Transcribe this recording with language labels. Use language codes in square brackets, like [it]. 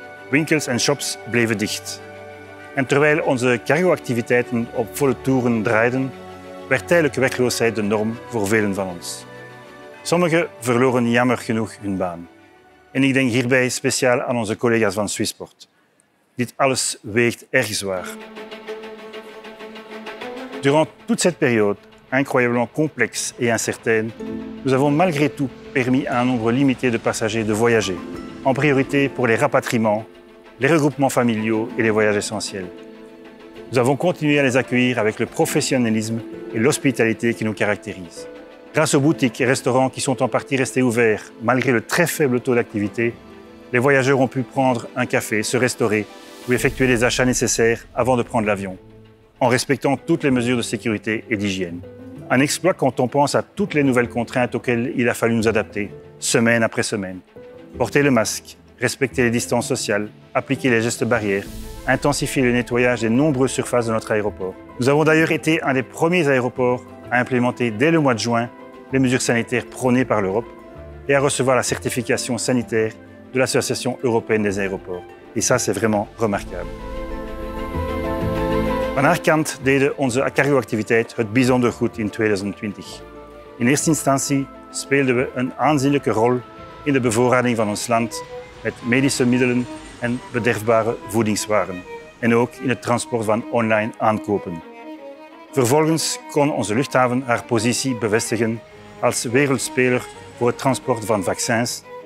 [nl] Winkels en shops bleven dicht. En terwijl onze cargoactiviteiten op volle toeren draaiden, werd tijdelijke werkloosheid de norm voor velen van ons. Sommigen verloren jammer genoeg hun baan. En ik denk hierbij speciaal aan onze collega's van Swissport. Dit alles weegt erg zwaar. [fr] Durant toute cette période, incroyablement complexe et incertaine, nous avons malgré tout permis à un nombre limité de passagers de voyager, en priorité pour les rapatriements, les regroupements familiaux et les voyages essentiels. Nous avons continué à les accueillir avec le professionnalisme et l'hospitalité qui nous caractérise. Grâce aux boutiques et restaurants qui sont en partie restés ouverts malgré le très faible taux d'activité, les voyageurs ont pu prendre un café, se restaurer ou effectuer les achats nécessaires avant de prendre l'avion, en respectant toutes les mesures de sécurité et d'hygiène. Un exploit quand on pense à toutes les nouvelles contraintes auxquelles il a fallu nous adapter, semaine après semaine. Porter le masque, respecter les distances sociales, appliquer les gestes barrières, intensifier le nettoyage des nombreuses surfaces de notre aéroport. Nous avons d'ailleurs été un des premiers aéroports à implémenter dès le mois de juin les mesures sanitaires prônées par l'Europe et à recevoir la certification sanitaire de l'Association européenne des aéroports. Et ça, c'est vraiment remarquable. [nl] Van haar kant deden onze cargoactiviteit het bijzonder goed in 2020. In eerste instantie speelden we een aanzienlijke rol in de bevoorrading van ons land met medische middelen en bederfbare voedingswaren. En ook in het transport van online aankopen. Vervolgens kon onze luchthaven haar positie bevestigen als wereldspeler voor het transport van vaccins.